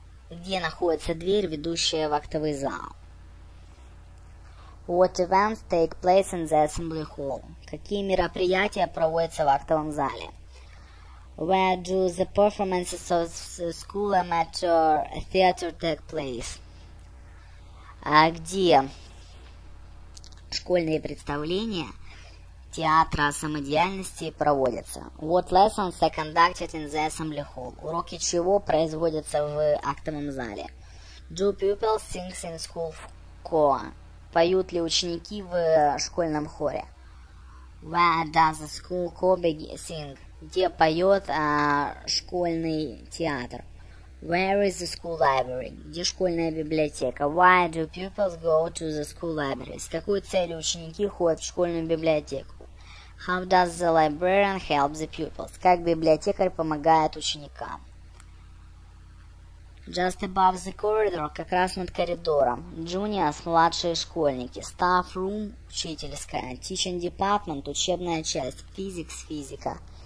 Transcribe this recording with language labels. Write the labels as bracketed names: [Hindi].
[Russian] Где находится дверь, ведущая в актовый зал? [English] What events take place in the assembly hall? [Russian] Какие мероприятия проводятся в актовом зале? [English] Where do the performances of the school amateur theater take place? [Russian] Где школьные представления театра самодеятельности проводятся? [English] What lessons are conducted in the assembly hall? [Russian] Уроки чего производятся в актовом зале? [English] Do pupils sing in school choir? [Russian] Поют ли ученики в школьном хоре? [English] Where does the school choir sing? [Russian] Где поет школьный театр? [English] Where is the school library? [Russian] Где школьная библиотека? [English] Why do pupils go to the school library? [Russian] С какой целью ученики ходят в школьную библиотеку? [English] How does the librarian help the pupils? [Russian] Как библиотекарь помогает ученикам? [English] Just above the corridor, [Russian] как раз над коридором. [English] Juniors, [Russian] младшие школьники. [English] Staff room, [Russian] учительская. [English] Teaching department, [Russian] учебная часть. [English] Physics, [Russian] физика.